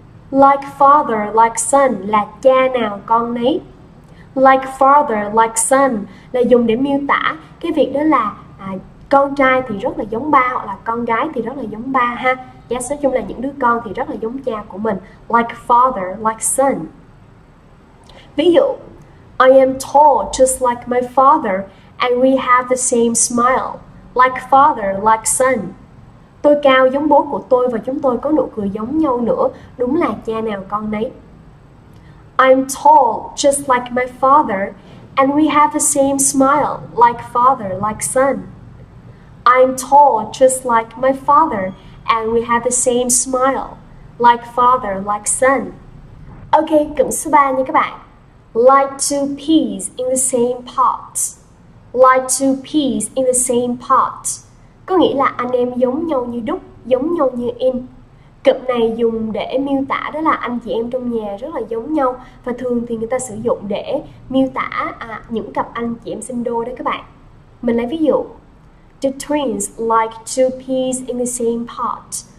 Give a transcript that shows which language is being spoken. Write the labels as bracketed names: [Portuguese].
[English] Like father, like son [Vietnamese] là cha nào con nấy. [English] Like father, like son [Vietnamese] là dùng để miêu tả cái việc đó là con trai thì rất là giống ba hoặc là con gái thì rất là giống ba ha. Yes, nói chung là những đứa con thì rất là giống cha của mình. [English] Like father, like son. [Vietnamese] Ví dụ, [English] I am tall just like my father and we have the same smile. Like father, like son. [Vietnamese] Tôi cao giống bố của tôi và chúng tôi có nụ cười giống nhau nữa. Đúng là cha nào con nấy. [English] I'm tall just like my father and we have the same smile. Like father, like son. I'm tall just like my father and we have the same smile. Like father, like son. [Vietnamese] Ok, cụm số 3 nha các bạn. [English] Like two peas in the same pot. Like two peas in the same pot. [Vietnamese] Có nghĩa là anh em giống nhau như đúc, giống nhau như in. Cụm này dùng để miêu tả đó là anh chị em trong nhà rất là giống nhau. Và thường thì người ta sử dụng để miêu tả những cặp anh chị em sinh đôi đó các bạn. Mình lấy ví dụ. [English] The twins like two peas in the same pot.